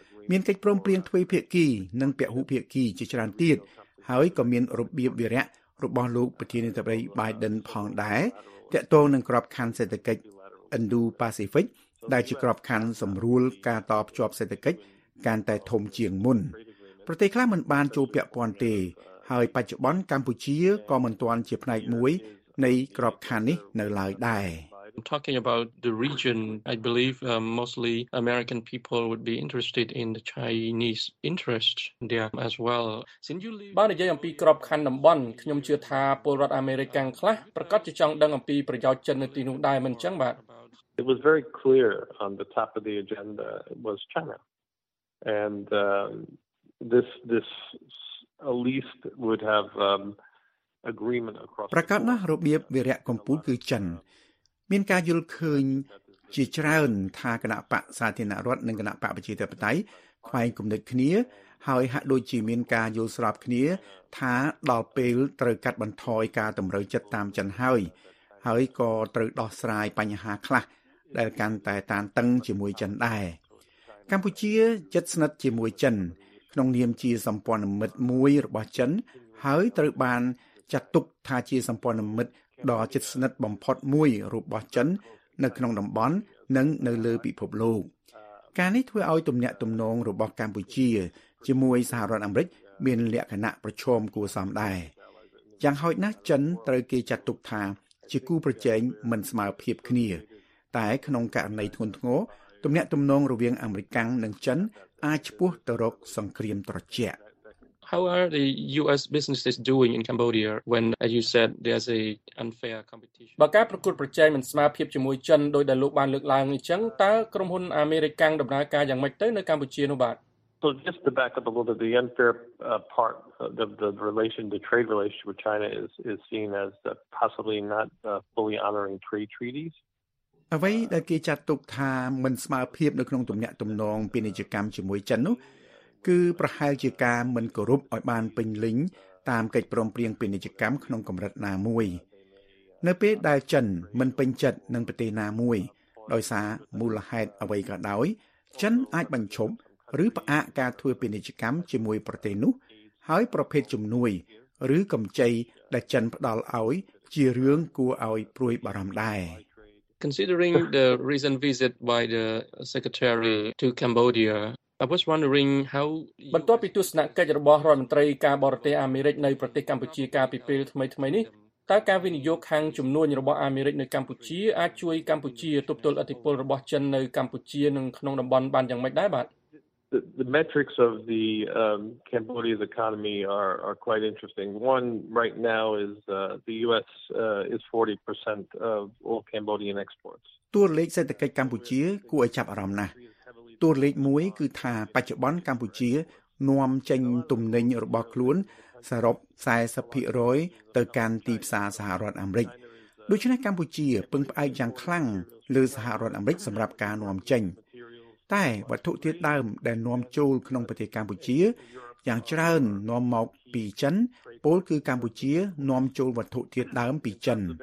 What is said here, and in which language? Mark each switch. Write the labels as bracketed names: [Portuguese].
[Khmer] មានកិច្ចព្រមព្រៀងទ្វេភាគីនិងពហុភាគីជាច្រើនទៀតហើយក៏មានរបៀបវារៈរបស់លោកប្រធានាធិបតី Biden ផងដែរតកតងនឹងក្របខ័ណ្ឌសេដ្ឋកិច្ច Indo-Pacific ដែលជាក្របខ័ណ្ឌសម្រួលការតភ្ជាប់សេដ្ឋកិច្ចកាន់តែធំជាងមុនប្រទេសខ្លះមិនបានចូលពាក់ព័ន្ធទេហើយបច្ចុប្បន្នកម្ពុជាក៏មិនទាន់ជាផ្នែកមួយនៃក្របខ័ណ្ឌនេះនៅឡើយដែរ [English] I'm talking about the region I believe mostly American people would be interested in the Chinese interest there as well since you [Khmer] បាននិយាយអំពីក្របខ័ណ្ឌតំបន់ខ្ញុំជឿថាពលរដ្ឋអាមេរិកកាំងខ្លះប្រកាសជាចង់ដឹងអំពីប្រយោជន៍ចិននៅទីនោះដែរមិនអញ្ចឹងបាទ [English] It was very clear on the top of the agenda was China and this at least would have agreement across [Khmer] ប្រកាសណារបៀបវិរៈកម្ពុជាគឺចិនមានការយល់ឃើញជាច្រើនថាគណៈបកសាធារណរដ្ឋនិងគណៈបកប្រជាធិបតេយ្យខ្វែងគំនិតគ្នាហើយហាក់ដូចជាមានការយល់ស្របគ្នាថាដល់ពេលត្រូវកាត់បន្ថយការតម្រូវចិត្តតាមចិនហើយហើយក៏ត្រូវដោះស្រាយបញ្ហាខ្លះដែលកាន់តែតានតឹងជាមួយចិនដែរ កម្ពុជាជិតស្និទ្ធជាមួយចិនក្នុងនាមជាសម្ព័ន្ធមិត្តមួយរបស់ចិនហើយត្រូវបានចាត់ទុកថាជាសម្ព័ន្ធមិត្តដ៏ជិតស្និទ្ធបំផុតមួយរបស់ចិននៅក្នុងតំបន់និងនៅលើពិភពលោកការនេះធ្វើឲ្យទំនាក់ទំនងរបស់កម្ពុជាជាមួយសហរដ្ឋអាមេរិកមានលក្ខណៈប្រឈមគួរសមដែរយ៉ាងហោចណាស់ចិនត្រូវគេចាត់ទុកថាជាគូប្រជែងមិនស្មើភាពគ្នាតែក្នុងករណីធ្ងន់ធ្ងរទំនាក់ទំនងរវាងអាមេរិកកាំងនិងចិនអាចឈ្មោះទៅរកសង្គ្រាមត្រជាក់ [English] How How are the US businesses doing in Cambodia when, as you said, there's a unfair competition? [Khmer] បើការប្រកួតប្រជែងមិនស្មើភាពជាមួយចិនដោយដែលលោកបានលើកឡើងអញ្ចឹងតើក្រុមហ៊ុនអាមេរិកាំងដំណើរការយ៉ាងម៉េចទៅនៅកម្ពុជានោះបាទ? [English] So just to back up a little bit, the unfair part of the relation, the trade relationship with China is seen as possibly not fully honoring trade treaties. [Khmer] អ្វីដែលគេចាត់ទុកថាមិនស្មើភាពនៅក្នុងទំនាក់ទំនងពាណិជ្ជកម្មជាមួយចិននោះគឺប្រហែលជាការមិនគោរពឲ្យបានពេញលេញតាមកិច្ចព្រមព្រៀងពាណិជ្ជកម្មក្នុងកម្រិតណាមួយនៅពេលដែលចិនមិនពេញចិត្តនឹងប្រទេសណាមួយដោយសារមូលហេតុអ្វីក៏ដោយចិនអាចបញ្ឈប់ឬផ្អាកការធ្វើពាណិជ្ជកម្មជាមួយប្រទេសនោះហើយប្រភេទជំនួយឬកម្ចីដែលចិនផ្ដល់ឲ្យជារឿងគួរឲ្យព្រួយបារម្ភដែរ [English] Considering the recent visit by the secretary to Cambodia, I was wondering how... [Khmer] បន្ទាប់ពីទស្សនកិច្ចរបស់រដ្ឋមន្ត្រីការបរទេសអាមេរិកនៅប្រទេសកម្ពុជាកាលពីពេលថ្មីៗនេះតើការវិនិយោគខាងជំនួញរបស់អាមេរិកនៅកម្ពុជាអាចជួយកម្ពុជាទប់ទល់ឥទ្ធិពលរបស់ចិននៅកម្ពុជានិងក្នុងតំបន់បានយ៉ាងម៉េចដែរបាទ? [English] The metrics of the Cambodia's economy are quite interesting. One right now is the US is 40% of all Cambodian exports. [Khmer] តួលេខសេដ្ឋកិច្ចកម្ពុជាគួរឲ្យចាប់អារម្មណ៍ណាស់។តួលេខមួយគឺថាបច្ចុប្បន្នកម្ពុជានាំចេញទំនិញរបស់ខ្លួនសរុប 40% ទៅកាន់ទីផ្សារសហរដ្ឋអាមេរិក។ដូច្នេះកម្ពុជាពឹងផ្អែកយ៉ាងខ្លាំងលើសហរដ្ឋអាមេរិកសម្រាប់ការនាំចេញ។តែវត្ថុធាតុដើមដែលនាំចូលក្នុងប្រទេសកម្ពុជាយ៉ាងច្រើននាំមកពីចិនពោលគឺកម្ពុជានាំចូលវត្ថុធាតុដើមពីចិន